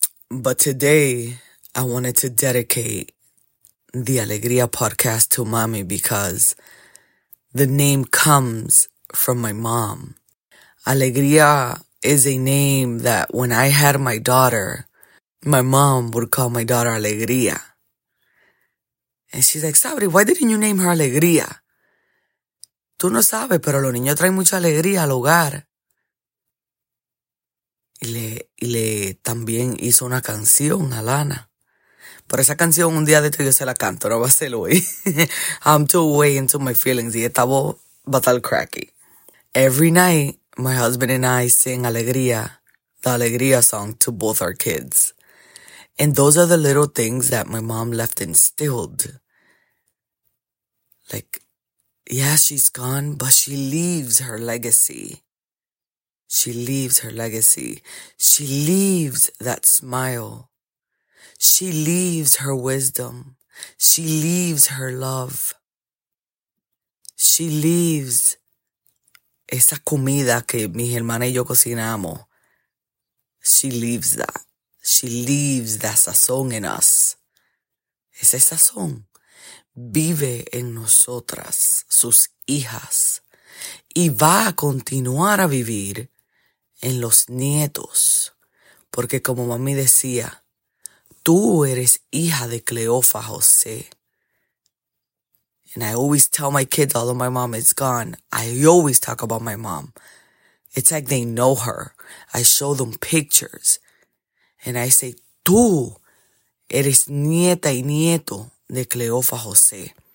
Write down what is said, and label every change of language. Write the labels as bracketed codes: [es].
[en] But today, I wanted to dedicate the Alegría Podcast to mommy because the name comes from my mom. Alegría is a name that when I had my daughter, my mom would call my daughter Alegría. And she's like, Sabri, why didn't you name her Alegría? [es] Tú no sabes, pero los niños traen mucha alegría al hogar. Y le también hizo una canción a Lana. Pero esa canción un día de esto yo se la canto, no va a ser hoy. [en] I'm too way into my feelings. [es] Y esta voz va a estar [en] cracky. Every night, my husband and I sing Alegría, the Alegría song, to both our kids. And those are the little things that my mom left instilled. Like, yeah, she's gone, but she leaves her legacy. She leaves her legacy. She leaves that smile. She leaves her wisdom. She leaves her love. She leaves [es] esa comida que mi hermana y yo cocinamos. [en] She leaves that. She leaves that sazón in us. [es] Ese sazón vive en nosotras, sus hijas, y va a continuar a vivir en los nietos. Porque como mami decía, tú eres hija de Cleofa José. [en] And I always tell my kids, although my mom is gone, I always talk about my mom. It's like they know her. I show them pictures. And I say, [es] tú eres nieta y nieto de Cleofa José.